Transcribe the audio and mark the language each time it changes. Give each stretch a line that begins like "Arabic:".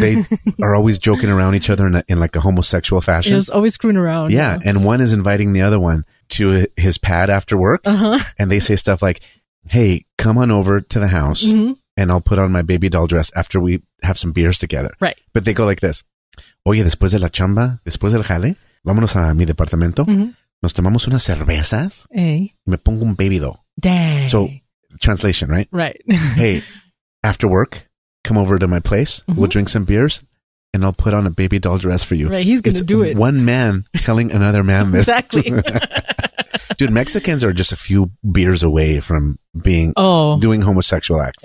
English: They are always joking around each other in like a homosexual fashion. Just always screwing around. Yeah. You know? And one is inviting the other one to his pad after work. Uh-huh. And they say stuff like, hey, come on over to the house and I'll put on my baby doll dress after we have some beers together. Right. But they go like this.
Spanish: Oye, después de la chamba, después del jale, vámonos a mi departamento. Mm-hmm. Nos tomamos unas cervezas.
English: Hey.
Spanish: Me pongo un baby doll.
English: Dang. So, translation, right? Right. Hey, after work, come over to my place. Mm-hmm. We'll drink some beers and I'll put on a baby doll dress for you. Right. He's going to do it. One man telling another man this. Exactly. Dude, Mexicans are just a few beers away from being doing homosexual acts.